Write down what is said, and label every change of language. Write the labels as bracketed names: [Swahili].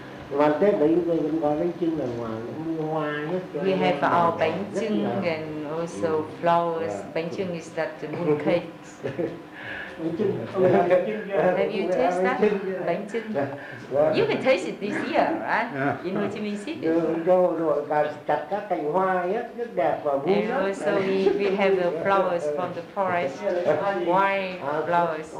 [Vietnamese] Và Tết đấy chúng tôi vẫn có bánh trưng ở ngoài, nó mua hoa nhất. [English] We have our bánh trưng and also flowers. Bánh trưng is that the moon cake. Have you tasted that? Bánh trưng? You can taste it this year, right? In Ho Chi Minh City. [Vietnamese] Chặt các cành hoa nhất, rất đẹp và vui. [English] And also we have the flowers from the forest, wine flowers.